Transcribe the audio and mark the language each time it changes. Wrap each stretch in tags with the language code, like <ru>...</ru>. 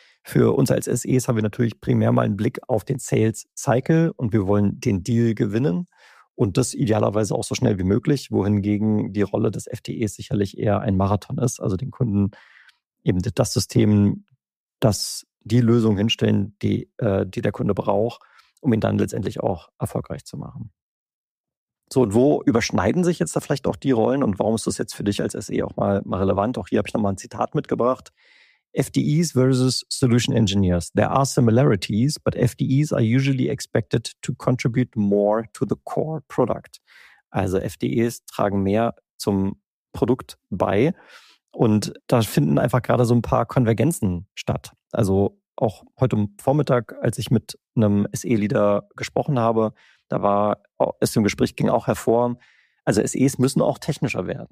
<de>Für uns als SEs haben wir natürlich primär mal einen Blick auf den Sales Cycle und wir wollen den Deal gewinnen und das idealerweise auch so schnell wie möglich, wohingegen die Rolle des FDEs sicherlich eher ein Marathon ist, also den Kunden eben das System, das die Lösung hinstellen, die der Kunde braucht, um ihn dann letztendlich auch erfolgreich zu machen. So, und wo überschneiden sich jetzt da vielleicht auch die Rollen und warum ist das jetzt für dich als SE auch mal relevant? Auch hier habe ich nochmal ein Zitat mitgebracht.</de> <en>FDEs versus Solution Engineers. There are similarities, but FDEs are usually expected to contribute more to the core product.</en> <de>Also FDEs tragen mehr zum Produkt bei. Und da finden einfach gerade so ein paar Konvergenzen statt. Also auch heute Vormittag, als ich mit einem SE-Leader gesprochen habe, da war es im Gespräch, ging auch hervor, also SEs müssen auch technischer werden.</de>